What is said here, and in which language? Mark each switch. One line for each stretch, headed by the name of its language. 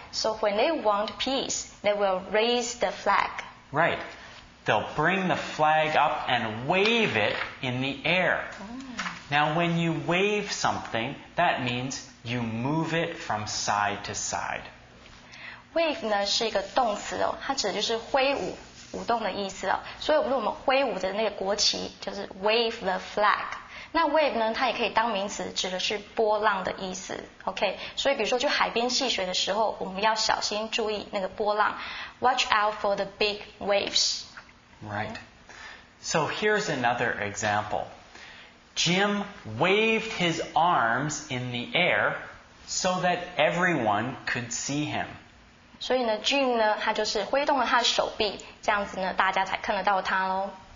English: So when they want peace, they will raise the flag. Right. They'll bring the flag up and wave it in the air. Now, when you wave something, that means you move it from side to side.
Chinese: Wave 呢是一个动词哦，它指的就是挥舞、舞动的意思哦。所以我们挥舞的那个国旗就是
English: wave the flag。
Chinese: 那 wave 呢，它也可以当名词，指的是波浪的意思。 OK， 所以比如说去海边戏水的时候，我们要小心注意那个波浪 ，
English: watch out for the big waves。 Right. So here's another example. Jim waved his arms in the air so that everyone could see him.
Chinese: 所以呢 ，Jim 呢，他就是挥动了他的手臂，这样子呢，大家才看得到他喽。